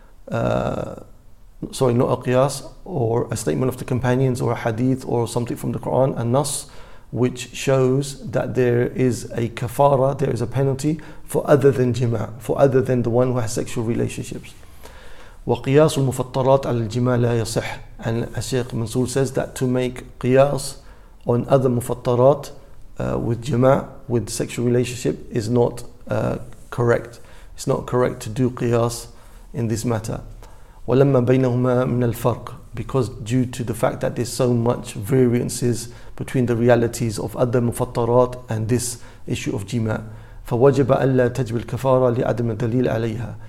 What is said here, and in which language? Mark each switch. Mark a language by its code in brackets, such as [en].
[en] Sorry, not a qiyas, or a statement of the companions, or a hadith, or something from the Quran, a nas, which shows that there is a kafara, there is a penalty for other than jima', for other than the one who has sexual relationships. [ar] وقياس المفطرات على الجماع لا يصح. [en] And as Sheikh Mansour says, that to make qiyas on other mufattarat, with jama', with sexual relationship, is not correct. It's not correct to do qiyas in this matter. [ar] وَلَمَّا بَيْنَهُمَا مِنَ الْفَرْقِ, [en] because due to the fact that there's so much variances between the realities of other mufattarat and this issue of jima', [ar] فَوَجَبَ أَلَّا تَجْبِ الْكَفَارَ لِعَدْمَ دَلِيلَ عَلَيْهَا.